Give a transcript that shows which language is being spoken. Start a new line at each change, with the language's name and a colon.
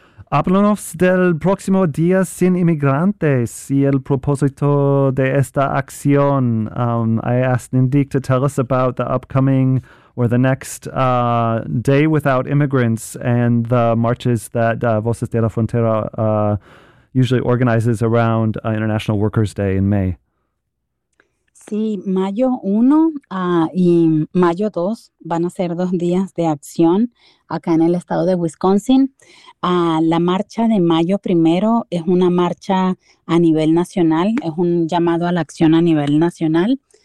Spanish: Háblanos del próximo Día Sin Inmigrantes y el propósito de esta acción.
English: I asked Nindik to tell us about the upcoming or the next Day Without Immigrants and the marches that Voces de la Frontera usually organizes around International Workers' Day in May.
Spanish: Sí, mayo 1 y mayo 2 van a ser dos días de acción acá en el estado de Wisconsin. La marcha de mayo 1 es una marcha a nivel nacional, es un llamado a la acción a nivel nacional.